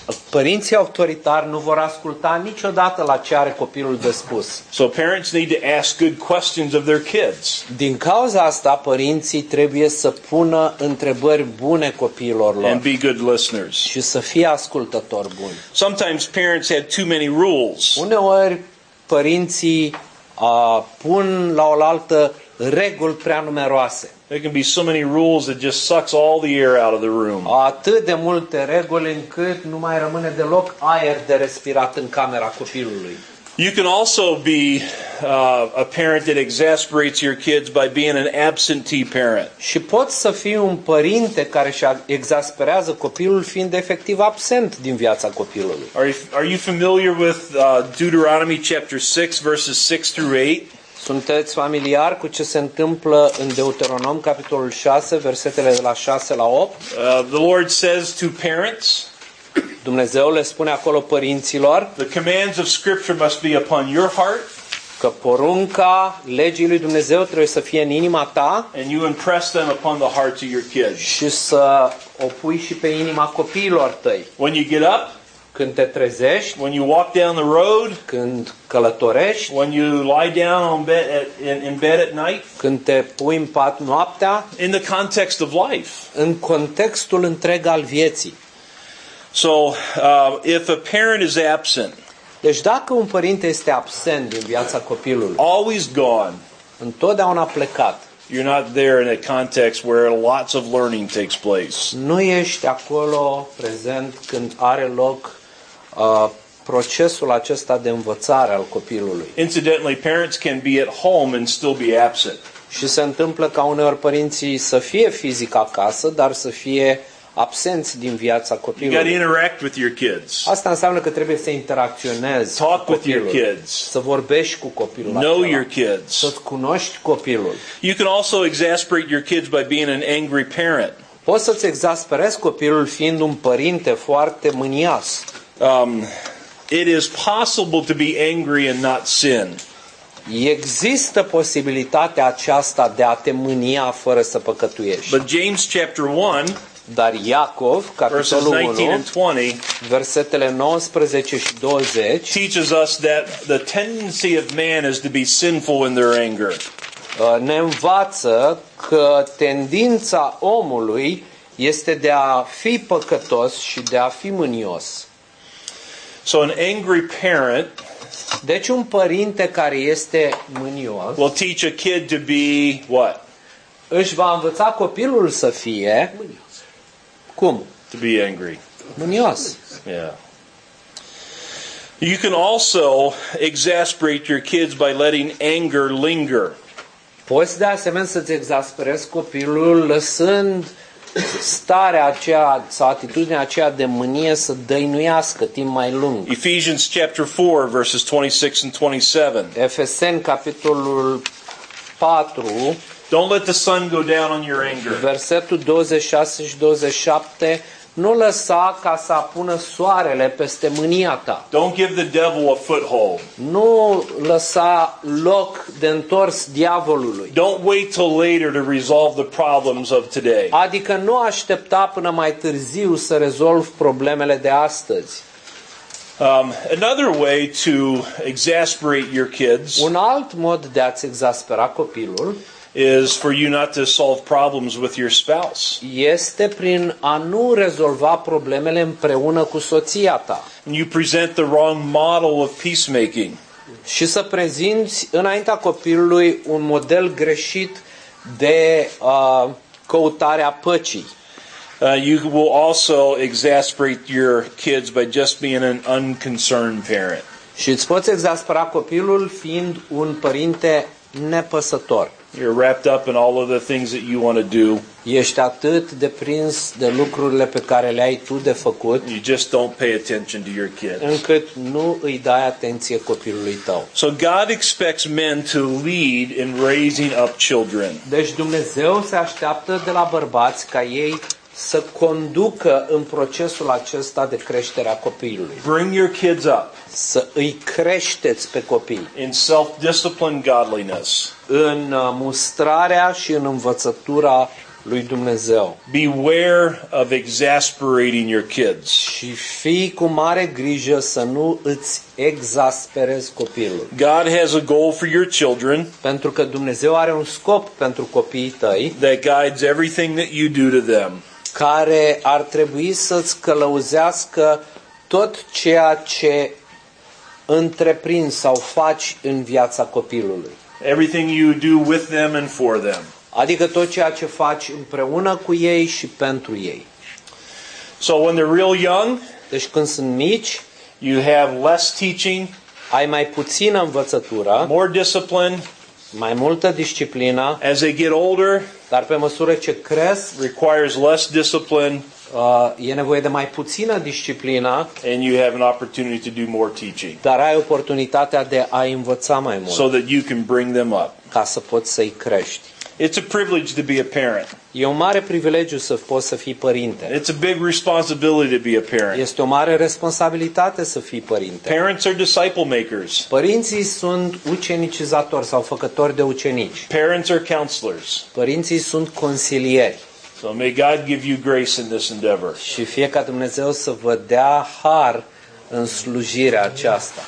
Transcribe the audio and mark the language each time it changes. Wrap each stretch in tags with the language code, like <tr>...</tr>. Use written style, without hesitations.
<ro>Părinții autoritari nu vor asculta niciodată la ce are copilul de spus.</ro> <en>So parents need to ask good questions of their kids.</en> <ro>Din cauza asta, părinții trebuie să pună întrebări bune copiilor lor.</ro> <en>And be good listeners.</en> <ro>Și să fie ascultători buni.</ro> <en>Sometimes parents had too many rules.</en> <ro>Uneori părinții pun la oaltă reguli prea numeroase.</ro> <en>There can be so many rules that just sucks all the air out of the room.</en> <ro>Atât de multe reguli încât nu mai rămâne deloc aer de respirat în camera copilului.</ro> <en>You can also be a parent that exasperates your kids by being an absentee parent.</en> <ro>Și poți să fii un părinte care își exasperează copilul fiind efectiv absent din viața copilului.</ro> <en>Are you familiar with Deuteronomy chapter 6 verses 6 through 8?</en> <ro>Sunteți familiar cu ce se întâmplă în Deuteronom capitolul 6 versetele de la 6 la 8?</ro> <en>The Lord says to parents.</en> <ro>Dumnezeu le spune acolo părinților.</ro> <en>The commands of scripture must be upon your heart.</en> <ro>Că porunca legii lui Dumnezeu trebuie să fie în inima ta.</ro> <en>And you impress them upon the hearts of your kids.</en> <ro>Și să o pui și pe inima copiilor tăi.</ro> <en>When you get up.</en> <ro>Când te trezești,</ro> <en>when you walk down the road,</en> <ro>când călătorești,</ro> <en>when you lie down in bed at night,</en> <ro>când te pui în pat noaptea,</ro> <en>in the context of life,</en> <ro>în contextul întreg al vieții.</ro> <en>So, if a parent is absent,</en> <ro>deci dacă un părinte este absent din viața copilului,</ro> <en>always gone,</en> <ro>întotdeauna plecat,</ro> <en>you're not there in a context where lots of learning takes place.</en> <ro>Nu ești acolo prezent când are loc procesul acesta de învățare al copilului.</ro> <en>Incidentally, parents can be at home and still be absent.</en> <ro>Și se întâmplă ca uneori părinții să fie fizic acasă, dar să fie absenți din viața copilului.</ro> <en>You got to interact with your kids.</en> <ro>Asta înseamnă că trebuie să interacționezi.</ro> <en>Talk</en> <ro>cu copilul,</ro> <en>with your kids.</en> <ro>Să vorbești cu copilul.</ro> <en>Know your kids.</en> <ro>Să-ți cunoști copilul.</ro> <en>You can also exasperate your kids by being an angry parent.</en> <ro>Poți să-ți exasperezi copilul fiind un părinte foarte mânios.</ro> <en>It is possible to be angry and not sin.</en> <ro>Există posibilitatea aceasta de a te mânia fără să păcătuiești.</ro> <en>But James chapter 1,</en> <ro>dar Iacov, capitolul 1, versetele 19 și 20,</ro> <en>teaches us that the tendency of man is to be sinful in their anger.</en> <ro>Ne învață că tendința omului este de a fi păcătos și de a fi mânios.</ro> <en>So an angry parent,</en> <ro>deci un părinte care este mânios,</ro> <en>will teach a kid to be what?</en> <ro>Își va învăța copilul să fie mânios. Cum?</ro> <en>To be angry.</en> <ro>Mânios.</ro> <en>Yeah. You can also exasperate your kids by letting anger linger.</en> <ro>Poți de asemenea să-ți exasperezi copilul lăsând starea aceea sau atitudinea aceea de mânie să dăinuiască timp mai lung.</ro> <en>Ephesians chapter 4 verses 26 and 27.</en> <ro>Efeseni capitolul 4.</ro> <en>Don't let the sun go down on your anger.</en> <ro>Versetul 26 și 27, nu lăsa ca să apună soarele peste mânia ta.</ro> <en>Don't give the devil a foothold.</en> <ro>Nu lăsa loc de întors diavolului.</ro> <en>Don't wait till later to resolve the problems of today.</en> <ro>Adică nu aștepta până mai târziu să rezolvi problemele de astăzi.</ro> <en>Another way to exasperate your kids.</en> <ro>Un alt mod de a-ți exaspera copilul</ro> <en>is for you not to solve problems with your spouse.</en> <ro>Este prin a nu rezolva problemele împreună cu soția ta.</ro> <en>And you present the wrong model of peacemaking.</en> <ro>Și să prezinți înaintea copilului un model greșit de căutare a păcii.</ro> <en>you will also exasperate your kids by just being an unconcerned parent.</en> <ro>Și îți poți exaspera copilul fiind un părinte nepăsător.</ro> <en>You're wrapped up in all of the things that you want to do.</en> <ro>Ești atât de prins de lucrurile pe care le ai tu de făcut.</ro> <en>You just don't pay attention to your kids.</en> <ro>Încât nu îi dai atenție copilului tău.</ro> <en>So God expects men to lead in raising up children.</en> <ro>Deci Dumnezeu se așteaptă de la bărbați ca ei să conducă în procesul acesta de creștere a copilului.</ro> <en>Bring your kids up.</en> <ro>Să îi creșteți pe copii.</ro> <en>In self-discipline godliness.</en> <ro>În mustrarea și în învățătura lui Dumnezeu.</ro> <en>Beware of exasperating your kids.</en> <ro>Și fii cu mare grijă să nu îți exasperezi copilul.</ro> <en>God has a goal for your children.</en> <ro>Pentru că Dumnezeu are un scop pentru copiii tăi.</ro> <en>That guides everything that you do to them.</en> <ro>Care ar trebui să-ți călăuzească tot ceea ce întreprinzi sau faci în viața copilului.</ro> <en>Everything you do with them and for them.</en> <ro>Adică tot ceea ce faci împreună cu ei și pentru ei.</ro> <en>So when they're real young,</en> <ro>deci când sunt mici,</ro> <en>you have less teaching,</en> <ro>ai mai puțină învățătură,</ro> <en>more discipline,</en> <ro>mai multă disciplină.</ro> <en>As they get older,</en> <ro>dar pe măsură ce cresc,</ro> <en>requires less discipline,</en> <ro>e nevoie de mai puțină disciplină,</ro> <en>and you have an opportunity to do more teaching.</en> <ro>Dar ai oportunitatea de a învăța mai mult.</ro> <en>So that you can bring them up.</en> <ro>Ca să poți să-i crești.</ro> <en>It's a privilege to be a parent.</en> <ro>E un mare privilegiu să poți să fii părinte.</ro> <en>It's a big responsibility to be a parent.</en> <ro>Este o mare responsabilitate să fii părinte.</ro> <en>Parents are disciple makers.</en> <ro>Părinții sunt ucenicizatori sau făcători de ucenici.</ro> <en>Parents are counselors.</en> <ro>Părinții sunt consilieri.</ro> <en>So may God give you grace in this endeavor.</en> <ro>Și fie ca Dumnezeu să vă dea har în slujirea aceasta.</ro>